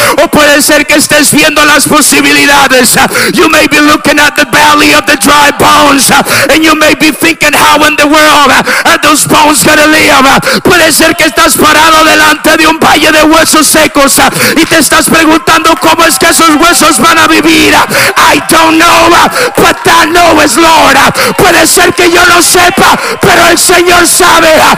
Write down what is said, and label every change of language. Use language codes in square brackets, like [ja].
[es] O puede ser que estés viendo las posibilidades. [en] You may be looking at the valley of the dry bones. And you may be thinking, how in the world are those bones gonna live? [es] Puede ser que estás parado delante de un valle de huesos secos y te estás preguntando cómo es que esos huesos van a vivir. [en] I don't know, but I know it's Lord. [es] Puede ser que yo no sepa, pero el Señor sabe.